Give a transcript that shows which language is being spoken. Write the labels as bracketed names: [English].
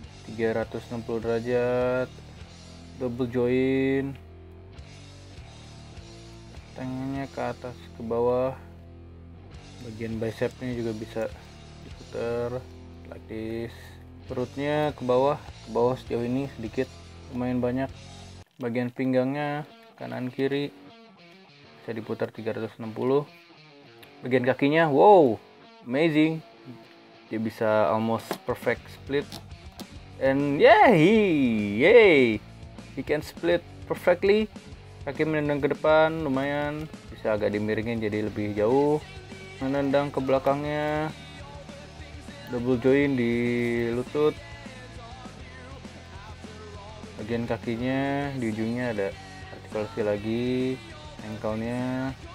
[Indonesian] 360 derajat double join, tangannya ke atas ke bawah, bagian bicepnya juga bisa diputar [English] like this, [Indonesian] perutnya ke bawah sejauh ini sedikit, lumayan banyak, bagian pinggangnya kanan kiri bisa diputar 360, bagian kakinya [English] wow amazing, [Indonesian] dia bisa [English] almost perfect split. And yay, he can split perfectly. [Indonesian] Kaki menendang ke depan, lumayan bisa agak dimiringin jadi lebih jauh. Menendang ke belakangnya, double join di lutut. Bagian kakinya di ujungnya ada artikulasi lagi, ankle-nya.